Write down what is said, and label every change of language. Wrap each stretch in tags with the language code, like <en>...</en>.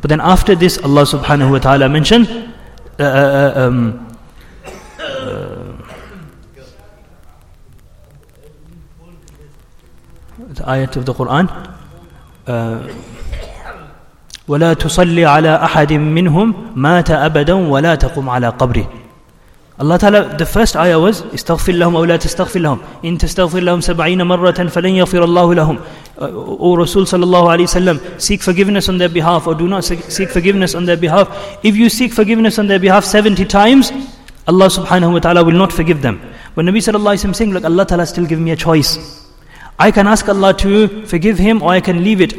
<en>But then after this, Allah subhanahu wa ta'ala mentioned, the ayat of the Quran,</en> <ar>وَلَا تُصَلِّ عَلَىٰ أَحَدٍ مِّنْهُمْ مَاتَ أَبَدًا وَلَا تَقُمْ عَلَىٰ قَبْرِهِ.</ar> <en>Allah Ta'ala, the first ayah was,</en> <ar>استغفر لهم أو لا تستغفر لهم. إن تستغفر لهم سبعين مرة فلن يغفر الله لهم.</ar> <en>O Rasul sallallahu alayhi wa sallam, seek forgiveness on their behalf, or do not seek forgiveness on their behalf. If you seek forgiveness on their behalf 70 times, Allah subhanahu wa ta'ala will not forgive them. But Nabi sallallahu alayhi wa sallam saying, look, Allah Ta'ala still give me a choice. I can ask Allah to forgive him, or I can leave it.</en>